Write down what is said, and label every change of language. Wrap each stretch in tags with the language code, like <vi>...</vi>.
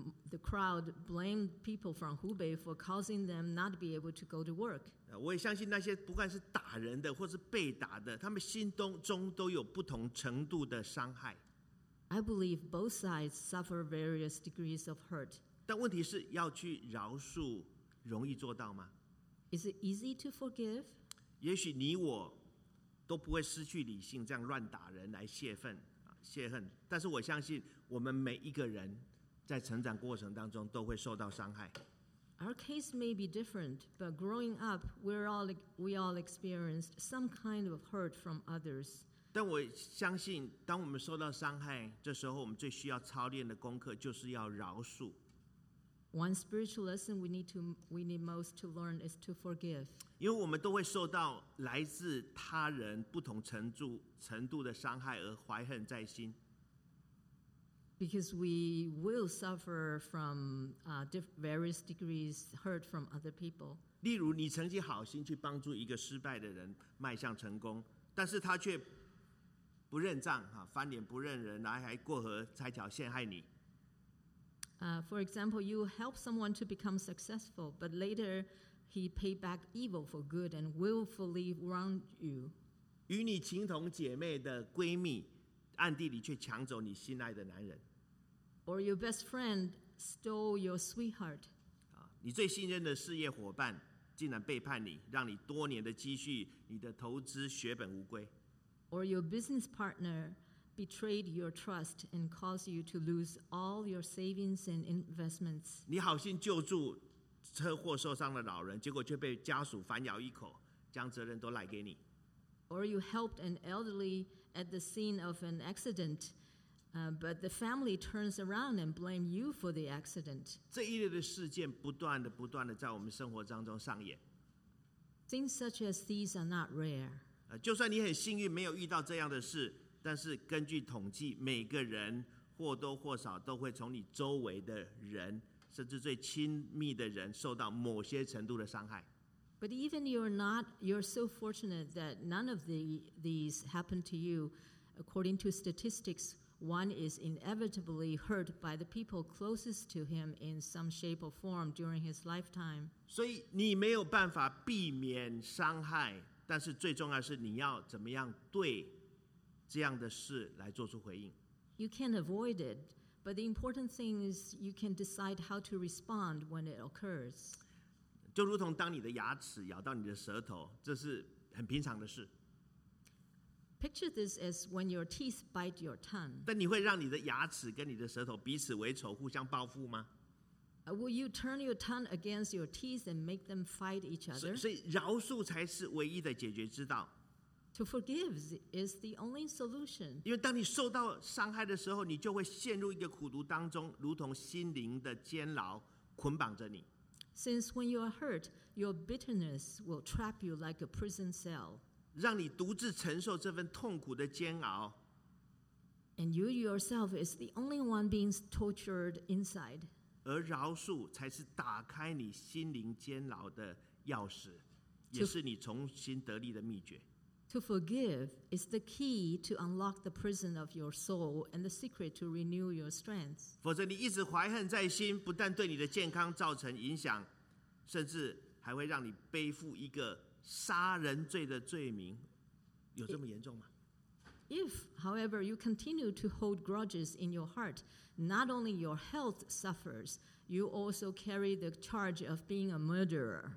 <en>The crowd blamed people from Hubei for causing them not to be able to go to work.</en> <zh>我也相信那些不管是打人的或是被打的，他们心中都有不同程度的伤害。</zh> <en>I believe both sides suffer various degrees of hurt.</en> <zh>但问题是要去饶恕，容易做到吗</zh> <en>？Is it easy to forgive?</en> <zh>也许你我都不会失去理性，这样乱打人来泄愤、泄恨。但是我相信，我们每一个人在成长过程当中都会受到伤害。</zh> <en>Our case may be different, but growing up, we all experienced some kind of hurt from others.</en> <zh>但我相信，当我们受到伤害，这时候我们最需要操练的功课就是要饶恕。</zh> <en>One spiritual lesson we need most to learn is to forgive.</en> <zh>因为我们都会受到来自他人不同程度的伤害而怀恨在心。</zh> <en>Because we will suffer from various degrees hurt from other people.</en> <zh>例如，你曾经好心去帮助一个失败的人迈向成功，但是他却不认账啊，翻脸不认人，来还过河拆桥陷害你。</zh> <en>For example, you help someone to become successful, but later he paid back evil for good and willfully wronged you.</en> <zh>与你情同姐妹的闺蜜，暗地里却抢走你心爱的男人。</zh> <en>Or your best friend stole your sweetheart.</en> <zh>你最信任的事业伙伴竟然背叛你，让你多年的积蓄、你的投资血本无归。</zh> <en>Or your business partner betrayed your trust and caused you to lose all your savings and investments.</en> <zh>你好心救助车祸受伤的老人，结果却被家属反咬一口，将责任都赖给你。</zh> <en>Or you helped an elderly at the scene of an accident, but the family turns around and blame you for the accident.</en> <zh>这一类的事件不断的、不断的在我们生活当中上演。</zh> <en>Things such as these are not rare.</en> <zh>就算你很幸运没有遇到这样的事，但是根据统计，每个人或多或少都会从你周围的人，甚至最亲密的人受到某些程度的伤害。</zh> <en>But even you're so fortunate that none of these happened to you. According to statistics, one is inevitably hurt by the people closest to him in some shape or form during his lifetime.</en> <zh>所以你没有办法避免伤害，但是最重要是你要怎么样对这样的事来做出回应。</zh> <en>You can't avoid it, but the important thing is you can decide how to respond when it occurs.</en> <zh>就如同当你的牙齿咬到你的舌头，这是很平常的事。</zh> <en>Picture this as when your teeth bite your tongue.</en> <zh>但你会让你的牙齿跟你的舌头彼此为仇，互相报复吗？</zh> <en>Will you turn your tongue against your teeth and make them fight each other?</en> <zh>所以饶恕才是唯一的解决之道。</zh> <en>To forgive is the only solution.</en> <zh>因为当你受到伤害的时候，你就会陷入一个苦毒当中，如同心灵的监牢捆绑着你。</zh> <en>Since when you are hurt, your bitterness will trap you like a prison cell.</en> <zh>让你独自承受这份痛苦的煎熬。</zh> <en>And you yourself is the only one being tortured inside.</en> <zh>而饶恕才是打开你心灵监牢的钥匙，也是你重新得力的秘诀。</zh> <en>To forgive is the key to unlock the prison of your soul and the secret to renew your strength.</en> <zh>否则你一直怀恨在心，不但对你的健康造成影响，甚至还会让你背负一个杀人罪的罪名。有这么严重吗？</zh> <en>If, however, you continue to hold grudges in your heart, not only your health suffers, you also carry the charge of being a murderer.</en>